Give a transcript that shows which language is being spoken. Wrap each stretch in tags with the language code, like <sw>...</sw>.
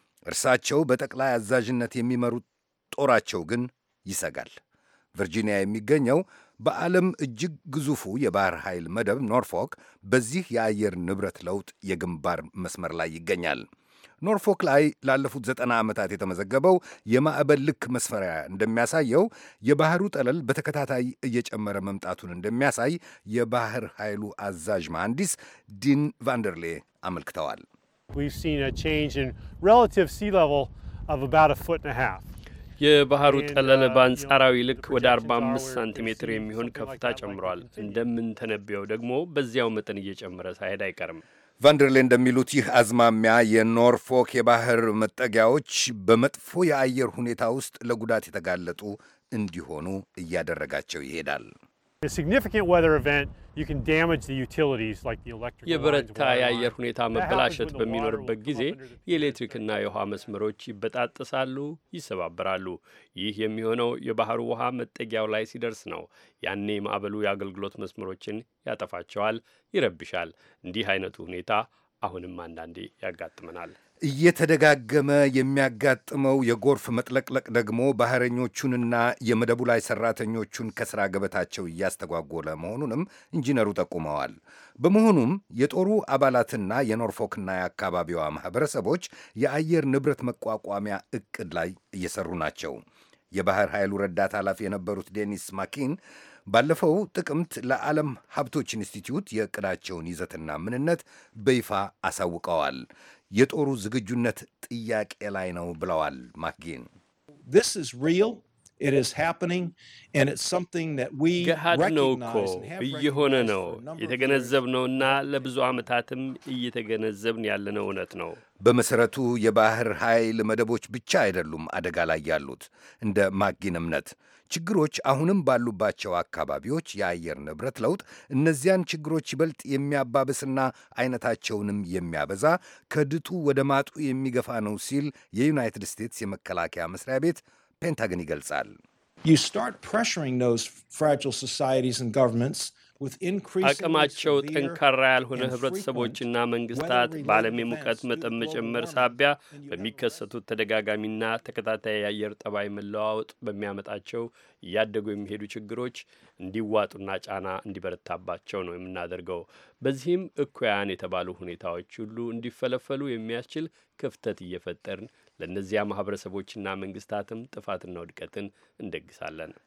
<am>እርሳቸው በጠቅላይ አዛዥነት የሚመሩት ጦራቸው ግን ይሰጋል። ቨርጂኒያ የሚገኘው በዓለም እጅግ ግዙፉ የባህር ኃይል መደብ ኖርፎክ በዚህ የአየር ንብረት ለውጥ የግንባር መስመር ላይ ይገኛል። ኖርፎክ ላይ ላለፉት 90 ዓመታት የተመዘገበው የማዕበል ልክ መስፈሪያ እንደሚያሳየው የባህሩ ጠለል በተከታታይ እየጨመረ መምጣቱን እንደሚያሳይ የባህር ኃይሉ አዛዥ መሐንዲስ ዲን ቫንደርሌ አመልክተዋል።</am> <en>We've seen a change in relative sea level of about a foot and a half.</en> <am>የባህሩ ጠለል በአንጻራዊ ልክ ወደ 45 ሳንቲሜትር የሚሆን ከፍታ ጨምሯል። እንደምንተነብየው ደግሞ በዚያው መጠን እየጨመረ ሳይሄድ አይቀርም። ቫንደርሌ እንደሚሉት ይህ አዝማሚያ የኖርፎክ የባህር መጠጊያዎች በመጥፎ የአየር ሁኔታ ውስጥ ለጉዳት የተጋለጡ እንዲሆኑ እያደረጋቸው ይሄዳል።</am> <en>A significant weather event, you can damage the utilities like the electric lines.</en> <am>የበረታ የአየር ሁኔታ መበላሸት በሚኖርበት ጊዜ የኤሌክትሪክና የውሃ መስመሮች ይበጣጠሳሉ፣ ይሰባበራሉ። ይህ የሚሆነው የባህሩ ውሃ መጠጊያው ላይ ሲደርስ ነው። ያኔ ማዕበሉ የአገልግሎት መስመሮችን ያጠፋቸዋል፣ ይረብሻል። እንዲህ አይነቱ ሁኔታ አሁንም አንዳንዴ ያጋጥመናል። እየተደጋገመ የሚያጋጥመው የጎርፍ መጥለቅለቅ ደግሞ ባህረኞቹንና የመደቡ ላይ ሰራተኞቹን ከስራ ገበታቸው እያስተጓጎለ መሆኑንም ኢንጂነሩ ጠቁመዋል። በመሆኑም የጦሩ አባላትና የኖርፎክና የአካባቢዋ ማህበረሰቦች የአየር ንብረት መቋቋሚያ እቅድ ላይ እየሰሩ ናቸው። የባህር ኃይሉ ረዳት ኃላፊ የነበሩት ዴኒስ ማኪን ባለፈው ጥቅምት ለዓለም ሀብቶች ኢንስቲትዩት የእቅዳቸውን ይዘትና ምንነት በይፋ አሳውቀዋል። የጦሩ ዝግጁነት ጥያቄ ላይ ነው ብለዋል ማክጊን።</am> <en>This is real. It is happening and it's something that we recognize and have</en> <am>የተገነዘብነውና ለብዙ አመታትም እየተገነዘብን ያለነው እውነት ነው። በመሰረቱ የባህር ኃይል መደቦች ብቻ አይደሉም አደጋ ላይ ያሉት። እንደ ማክጊን እምነት ችግሮች አሁንም ባሉባቸው አካባቢዎች የአየር ንብረት ለውጥ እነዚያን ችግሮች ይበልጥ የሚያባብስና አይነታቸውንም የሚያበዛ ከድጡ ወደ ማጡ የሚገፋ ነው ሲል የዩናይትድ ስቴትስ የመከላከያ መስሪያ ቤት ፔንታገን ይገልጻል።</am> <en>You start pressuring those fragile societies and governments with</en> <am>አቅማቸው ጠንካራ ያልሆነ ህብረተሰቦችና መንግስታት በዓለም የሙቀት መጠን መጨመር ሳቢያ በሚከሰቱት ተደጋጋሚና ተከታታይ የአየር ጠባይ መለዋወጥ በሚያመጣቸው እያደጉ የሚሄዱ ችግሮች እንዲዋጡና ጫና እንዲበረታባቸው ነው የምናደርገው። በዚህም እኩያን የተባሉ ሁኔታዎች ሁሉ እንዲፈለፈሉ የሚያስችል ክፍተት እየፈጠርን ለነዚያ ማህበረሰቦችና መንግስታትም ጥፋትና ውድቀትን እንደግሳለን።</am>